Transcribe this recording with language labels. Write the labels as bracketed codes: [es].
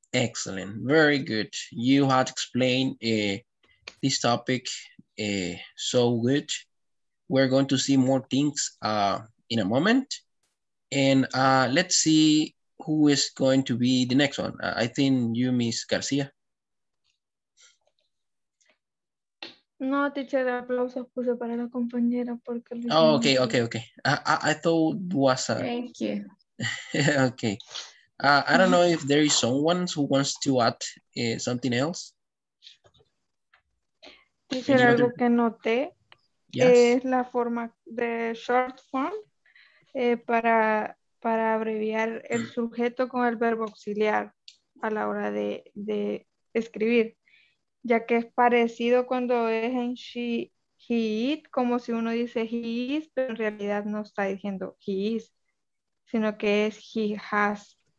[en] Excellent, very good. You had explained this topic so good. We're going to see more things in a moment. And let's see who is going to be the next one. I think you, Miss Garcia. [es] No, teacher, aplausos puso para la compañera porque. [en] Oh, okay. I thought was. Thank you. Okay. I don't know if there is someone who wants to add something else. [es] Teacher, algo que noté. Yes. Es la forma de short form para abreviar el sujeto con el verbo auxiliar a la hora de escribir, ya que es parecido cuando es en he, como si uno dice he is, pero en realidad no está diciendo he is, sino que es he has.